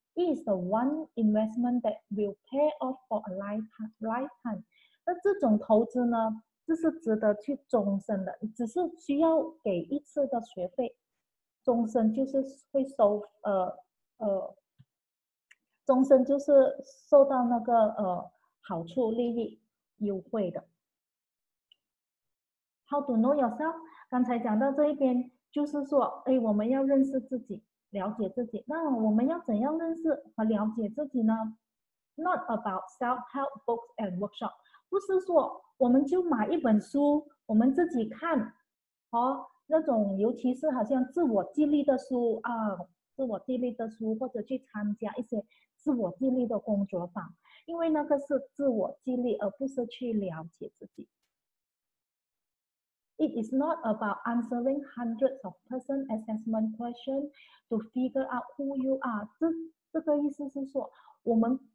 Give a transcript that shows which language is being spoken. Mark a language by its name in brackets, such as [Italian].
[English] It's the one investment that will pay off for a lifetime。 [Chinese] 那这种投资呢，这是值得去终身的，只是需要给一次的学费，终身就是会收终身就是受到那个好处利益优惠的。 [English] How to know yourself？ [Chinese] 刚才讲到这一边，就是说，哎，我们要认识自己，了解自己。那我们要怎样认识和了解自己呢 ？ [English] Not about self-help books and workshop， [Chinese] 不是说我们就买一本书，我们自己看，哦，那种尤其是好像自我激励的书啊。自我激励的书，或者去参加一些自我激励的工作坊，因为那个是自我激励，而不是去了解自己。 [English] It is not about answering hundreds of person assessment questions to figure out who you are。 [Chinese] 这个意思是说，我们